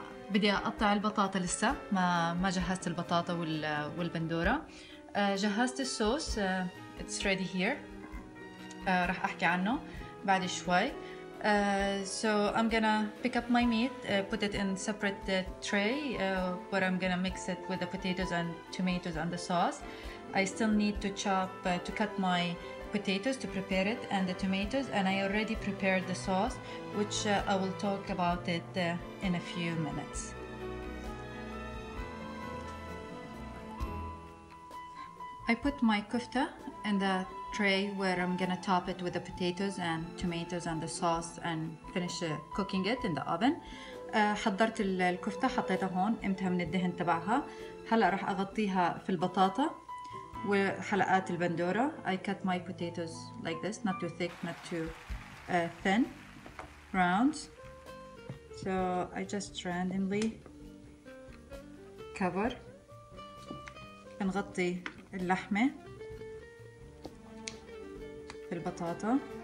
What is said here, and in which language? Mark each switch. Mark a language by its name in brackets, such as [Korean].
[Arabic] بدي أقطع البطاطا لسه ما جهزت البطاطا والبندورة. جهزت الصوص [English] it's ready here. [Arabic] رح أحكي عنه بعد شوي. [English] So I'm gonna pick up my meat, put it in separate tray, but I'm gonna mix it with the potatoes and tomatoes and the sauce. I still need to chop to cut my potatoes to prepare it and the tomatoes, and I already prepared the sauce, which I will talk about it in a few minutes. I put my kofta in the tray where I'm gonna top it with the potatoes and tomatoes and the sauce and finish cooking it in the oven. [Arabic] حضرت الكفتة حطيتها هون قمتها من الدهن تبعها. هلا رح أغطيها في البطاطا وحلقات البندورة. [English] I cut my potatoes like this, not too thick, not too thin, rounds. So I just randomly cover. [Arabic] بنغطي اللحمة في البطاطا.